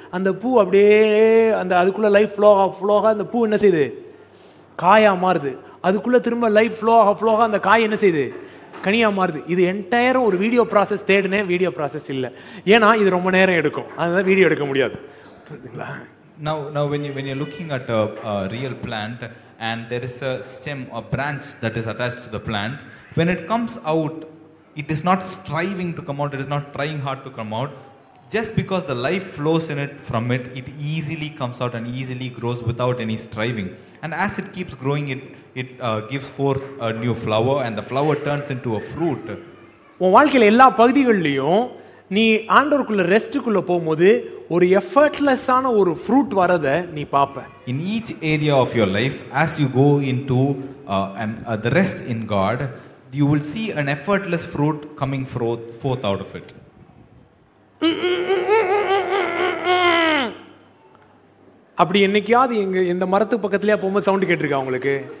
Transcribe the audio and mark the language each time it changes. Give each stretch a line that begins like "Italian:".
Tamil: அந்த பூ அப்படியே அந்த அதுக்குள்ளே லைஃப் ஃப்ளோ ஆக ஃப்ளோ ஆக அந்த பூ என்ன செய்யுது? காயாக மாறுது. அதுக்குள்ளே திரும்ப லைஃப் ஃப்ளோ ஆக ஃப்ளோ ஆக அந்த காய் என்ன செய்யுது? கனியாக மாறுது. இது என்டையரும் ஒரு வீடியோ ப்ராசஸ் தேடுனே, வீடியோ ப்ராசஸ் இல்லை. ஏன்னா இது ரொம்ப நேரம் எடுக்கும், அதனால வீடியோ எடுக்க முடியாது.
English: Now, when you're looking at a real plant and there is a stem or branch that is attached to the plant, when it comes out, it is not striving to come out, it is not trying hard to come out. Just because the life flows in it from it, it easily comes out and easily grows without any striving. And as it keeps growing, it gives forth a new flower and the flower turns into a fruit.
Tamil: உன் வாழ்க்கையில் எல்லா பகுதிகளிலையும் நீ ஆண்டவருக்குள்ள ரெஸ்ட்டுக்குள்ளே போகும்போது ஒரு எஃபர்ட்லெஸ்ஸான ஒரு fruit வரதை நீ பார்ப்ப.
English: In each area of your life, as you go into the rest in God, you will see an effortless fruit coming forth out of it.
Tamil: அப்படி என்னைக்காவது எங்க இந்த மரத்துக்கு பக்கத்துலயே போகும்போது சவுண்ட் கேட்டிருக்கா உங்களுக்கு?